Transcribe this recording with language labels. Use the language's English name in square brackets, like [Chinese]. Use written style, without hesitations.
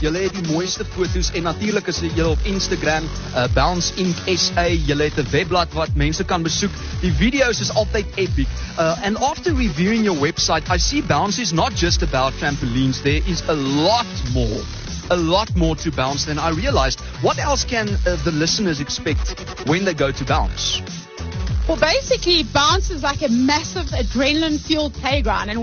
[Afrikaans] Julle het die mooiste foto's en natuurlik is julle op Instagram, Bounce Inc. SA. Julle het 'n webblad wat mense kan besoek. Die video's is altyd epic. [English] And after reviewing your website, I see Bounce is not just about trampolines. There is a lot more to Bounce than I realized. What else can the listeners expect when they go to Bounce? Well, basically, Bounce is like a massive adrenaline-fueled playground.